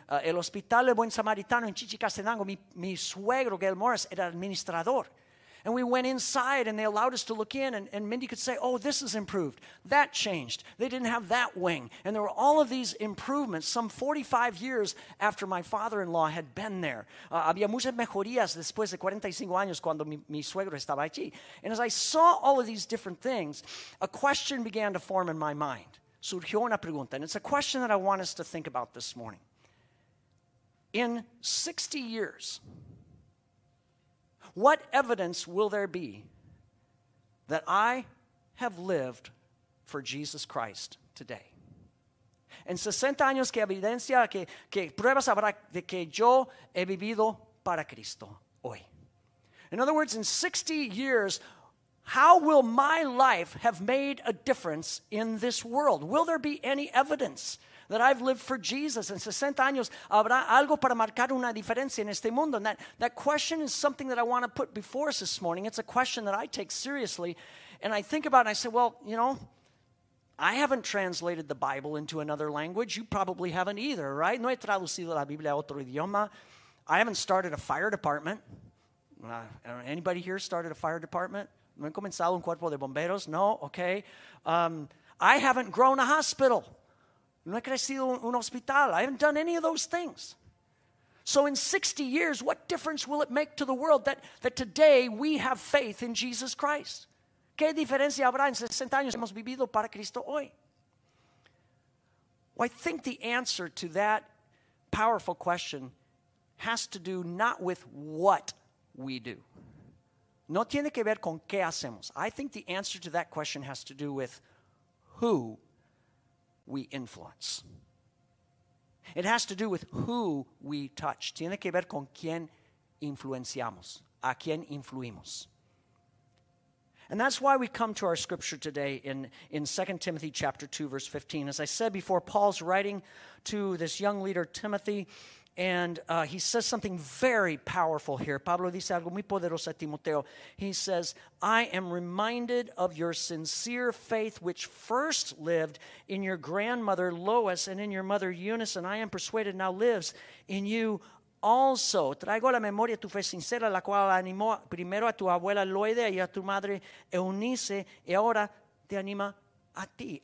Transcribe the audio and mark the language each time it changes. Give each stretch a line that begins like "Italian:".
Spanish: El Hospital del Buen Samaritano en Chichicastenango, mi suegro, Gail Morris, era administrador.
English: And we went inside, and they allowed us to look in, and Mindy could say, oh, this is improved. That changed. They didn't have that wing. And there were all of these improvements some 45 years after my father-in-law had been there.
Spanish: Había muchas mejorías después de 45 años cuando mi suegro estaba allí.
English: And as I saw all of these different things, a question began to form in my mind.
Spanish: Surgió una pregunta.
English: And it's a question that I want us to think about this morning. In 60 years, what evidence will there be that I have lived for Jesus Christ today?
Spanish: En 60 años, ¿qué evidencia, qué pruebas habrá de que yo he vivido para Cristo hoy?
English: In other words, in 60 years, how will my life have made a difference in this world? Will there be any evidence that I've lived for Jesus?
Spanish: En 60 años, ¿habrá algo para marcar una diferencia en este mundo?
English: And that question is something that I want to put before us this morning. It's a question that I take seriously. And I think about it and I say, well, you know, I haven't translated the Bible into another language. You probably haven't either, right?
Spanish: No he traducido la Biblia a otro idioma.
English: I haven't started a fire department. Anybody here started a fire department?
Spanish: ¿No han comenzado un cuerpo de bomberos? No, okay.
English: I haven't grown a hospital.
Spanish: No he crecido un hospital.
English: I haven't done any of those things. So in 60 years, what difference will it make to the world that today we have faith in Jesus Christ?
Spanish: ¿Qué diferencia habrá en 60 años hemos vivido para Cristo hoy?
English: Well, I think the answer to that powerful question has to do not with what we do.
Spanish: No tiene que ver con qué hacemos.
English: I think the answer to that question has to do with who we influence. It has to do with who we touch.
Spanish: Tiene que ver con quién influenciamos, a quién influimos.
English: And that's why we come to our scripture today in 2 Timothy chapter 2, verse 15. As I said before, Paul's writing to this young leader, Timothy, and he says something very powerful here.
Spanish: Pablo dice algo muy poderoso a Timoteo.
English: He says, I am reminded of your sincere faith which first lived in your grandmother Lois and in your mother Eunice, and I am persuaded now lives in you also.
Spanish: Traigo a la memoria tu fe sincera, la cual animó primero a tu abuela Loide y a tu madre Eunice, y ahora te anima a ti.